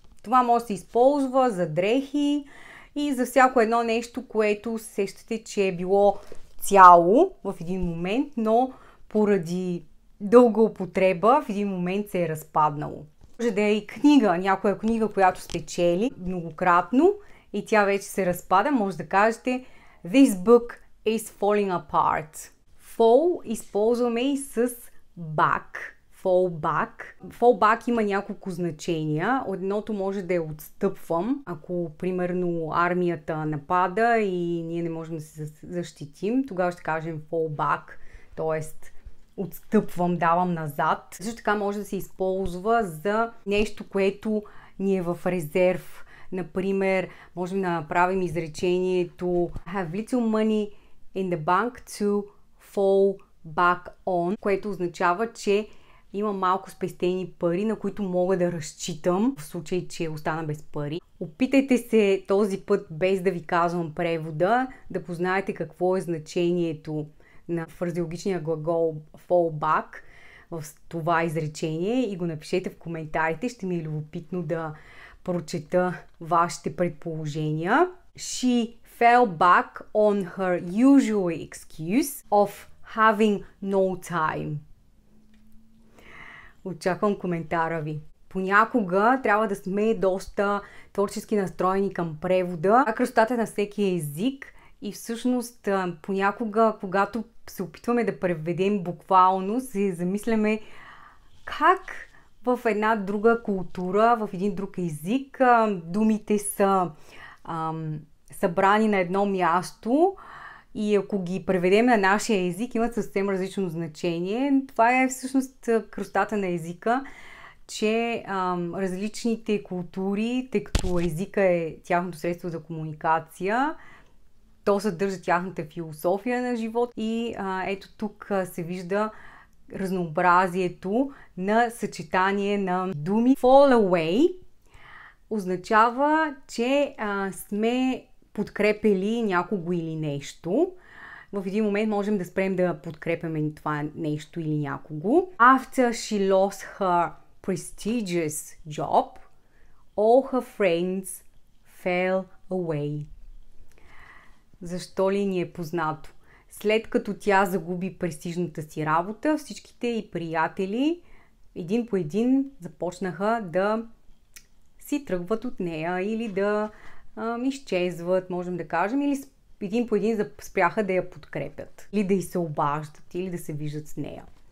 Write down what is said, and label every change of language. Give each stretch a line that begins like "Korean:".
Bulgarian: Това може да се използва за дрехи и за всяко едно нещо, което сещате, че е било цяло в един момент, но поради дълга употреба в един момент се е разпаднало. Може да е и книга, някоя книга, която сте чели многократно и тя вече се разпада. Може да кажете
English: This book is falling apart.
Bulgarian: Fall използваме и с back, fall back. Fall back има няколко значения. Едното може да е отстъпвам, ако примерно армията напада и ние не можем да се защитим, тогава ще кажем fall back, т.е. отстъпвам, давам назад. Също така може да се използва за нещо, което ни е в резерв. Например, можем да направим изречението
English: I have little money in the bank to fall back on,
Bulgarian: което означава, че има малко спестени пари, на които мога да разчитам в случай, че остана без пари. Опитайте се този път, без да ви казвам превода, да познаете какво е значението на фразеологичния глагол fall back в това изречение и го напишете в коментарите. Ще ми е любопитно да прочета вашите предположения.
English: She fell back on her usual excuse of having no time.
Bulgarian: Очаквам коментара ви. Понякога трябва да сме доста творчески настроени към превода. А красотата на всеки език и всъщност понякога, когато се опитваме да преведем буквално, се замисляме как в една друга култура, в един друг език, думите са събрани на едно място и ако ги преведем на нашия език, имат съвсем различно значение. Това е всъщност красотата на езика, че различните култури, тъй като езика е тяхното средство за комуникация, то съдържа тяхната философия на живот и ето тук се вижда разнообразието на съчетание на думи. Fall away означава, че сме подкрепили някого или нещо. В един момент можем да спрем да подкрепяме това нещо или някого.
English: After she lost her prestigious job, all her friends fell away.
Bulgarian: Защо ли ни е познато? След като тя загуби престижната си работа, всичките й приятели един по един започнаха да си тръгват от нея или да изчезват, можем да кажем, или един по един спряха да я подкрепят, или да й се обаждат, или да се виждат с нея.